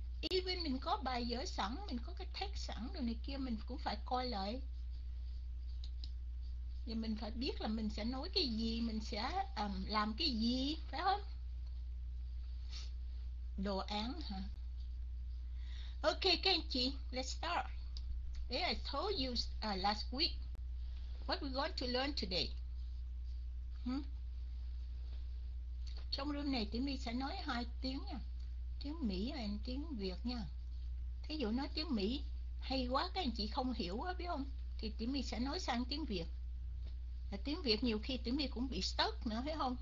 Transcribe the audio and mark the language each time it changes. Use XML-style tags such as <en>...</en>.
<vi>Even mình có bài vở sẵn, mình có cái text sẵn rồi này kia, mình cũng phải coi lại. Thì mình phải biết là mình sẽ nói cái gì, mình sẽ làm cái gì, phải không? Đồ án hả? Okay, các anh chị,</vi> <en>let's start. As I told you last week, what we're going to learn today.</en> <vi>Trong room này tiếng Mỹ sẽ nói hai tiếng nha. Tiếng Mỹ và tiếng Việt nha. Thí dụ nói tiếng Mỹ hay quá các anh chị không hiểu quá biết không? Thì tiếng Mỹ sẽ nói sang tiếng Việt. Và tiếng Việt nhiều khi tiếng Mỹ cũng bị stuck nữa phải không?</vi>